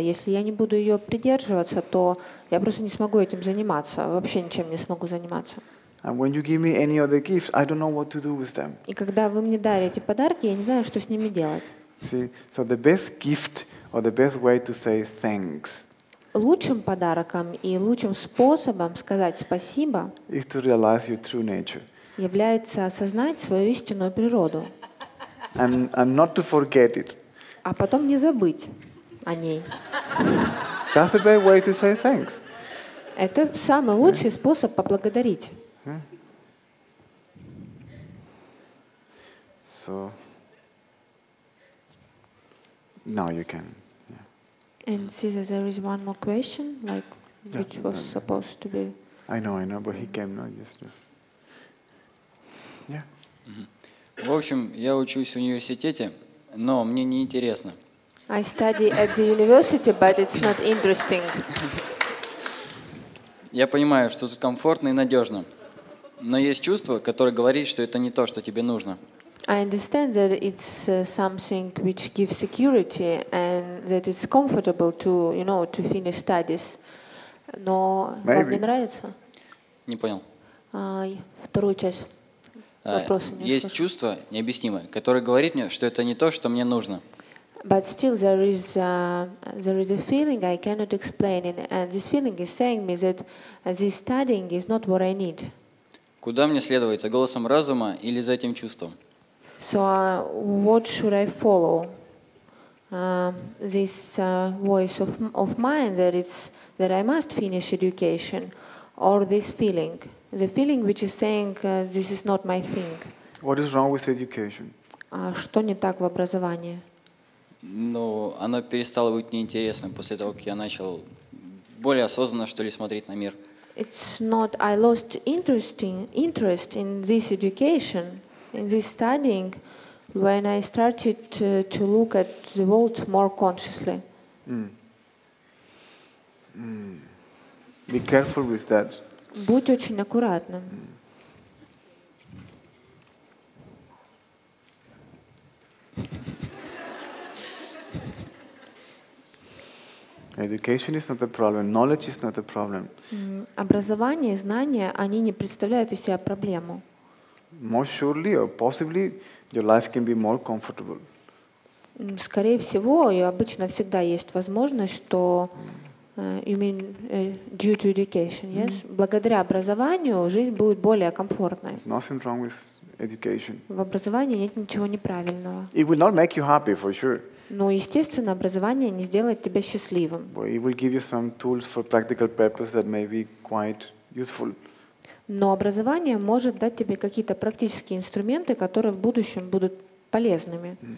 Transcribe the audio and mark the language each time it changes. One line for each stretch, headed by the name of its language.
Russian: Если я не буду ее придерживаться, то я просто не смогу этим заниматься, вообще ничем не смогу заниматься.
English: And when you give me any other gifts, I don't know what to do with them.
Russian: И когда вы мне дарите подарки, я не знаю, что с ними делать.
English: See, so the best gift or the best way to say thanks.
Russian: Лучшим подарком и лучшим способом сказать спасибо.
English: Is to realize your true nature.
Russian: Является осознать свою истинную природу.
English: And not to forget it.
Russian: А потом не забыть о ней.
English: That's the best way to say thanks.
Russian: Это самый лучший способ поблагодарить.
English: So. Now you can. Yeah. And Caesar, there is one more question, like yeah, which was no, supposed to be. I know, but he came now yesterday. Yeah.
Russian: В общем, я учусь в университете, но мне не интересно.
English: I study at the university, but it's not interesting.
Russian: Я понимаю, что тут комфортно и надежно, но есть чувство, которое говорит, что это не то, что тебе нужно.
English: I understand that it's something which gives security and that it's comfortable to, you know, to finish studies.
Russian: Но
English: maybe.
Russian: Вам не нравится? Не понял. Вторую часть. Есть чувство необъяснимое, которое говорит мне, что это не то, что мне нужно.
English: But still there is a feeling I cannot explain it, and this feeling is saying me that this studying is not what I need.
Russian: Куда мне следовать, за голосом разума или за этим чувством?
English: So what should I follow? This voice of mine that it's that I must finish education, or this feeling? The feeling which is saying this is not my thing. What is wrong with education?
Russian: Что не так в образовании? Ну, оно перестало быть неинтересным после того, как я начал более осознанно, что ли, смотреть на мир.
English: It's not I lost interest in this education, in this studying, when I started to look at the world more consciously. Be careful with that.
Russian: Будь очень аккуратным.
English: Education is not the problem. Knowledge is not the problem.
Russian: Образование, знания, они не представляют из себя проблему.
English: Most surely or possibly your life can be more comfortable.
Russian: Скорее всего, и обычно всегда есть возможность, что
English: you mean due to education, yes?
Russian: Mm-hmm. Благодаря образованию жизнь будет более комфортной.
English: Nothing wrong with education.
Russian: В образовании нет ничего неправильного.
English: It will not make you happy, for sure.
Russian: Но, естественно, образование не сделает тебя счастливым.
English: But it will give you some tools for practical purpose that may be quite useful.
Russian: Но образование может дать тебе какие-то практические инструменты, которые в будущем будут полезными.